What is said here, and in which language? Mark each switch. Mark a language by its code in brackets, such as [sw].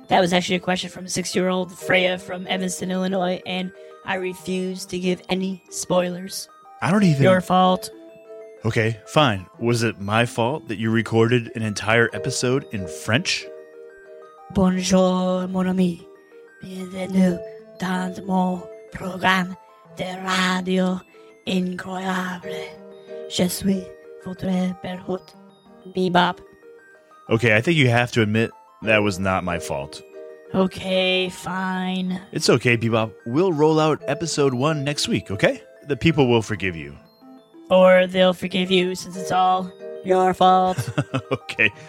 [en] That was actually a question from 6-year-old Freya from Evanston, Illinois, and I refuse to give any spoilers. I don't even... Your fault. Okay, fine. Was it my fault that you recorded an entire episode in French? [fr] Bonjour, mon ami. Bienvenue dans mon programme de radio incroyable. Je suis votre berhout, Bebop. [en] Okay, I think you have to admit that was not my fault. Okay, fine. It's okay, Bebop. We'll roll out episode 1 next week, okay? The people will forgive you. Or they'll forgive you since it's all your fault. Okay.